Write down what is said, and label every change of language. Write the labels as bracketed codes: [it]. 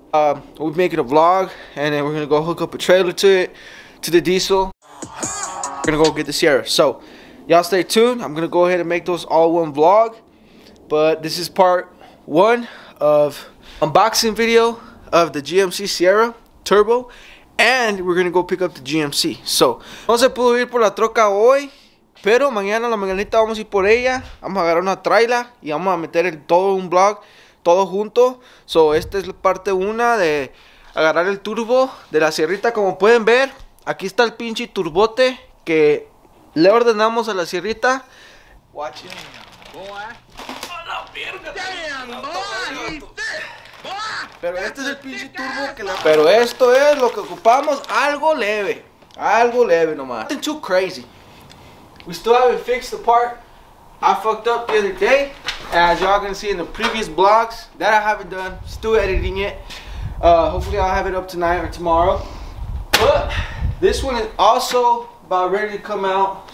[en] We'll be making a vlog, and then we're gonna go hook up a trailer to it, to the diesel. We're gonna go get the Sierra. So y'all stay tuned. I'm gonna go ahead and make those all one vlog, but this is part one of unboxing video of the GMC Sierra Turbo, and we're gonna go pick up the GMC. [es] So no se pudo ir por la troca hoy, pero mañana la mañanita vamos a ir por ella. Vamos a agarrar una traila y vamos a meter el todo un blog todo junto. So esta es la parte una de agarrar el turbo de la Sierrita. Como pueden ver, aquí está el pinche turbote que le ordenamos a la Sierrita. [en] Watch it, boy. [es] ¡Oh, la mierda! [en] Damn, boy. [es] Pero este es el pinche turbo que la... Pero esto es lo que ocupamos, algo leve. Algo leve nomás. [en] Nothing too crazy. We still haven't fixed the part I fucked up the other day. As y'all can see in the previous vlogs, that I haven't done. Still editing it. Hopefully I'll have it up tonight or tomorrow. But this one is also about ready to come out.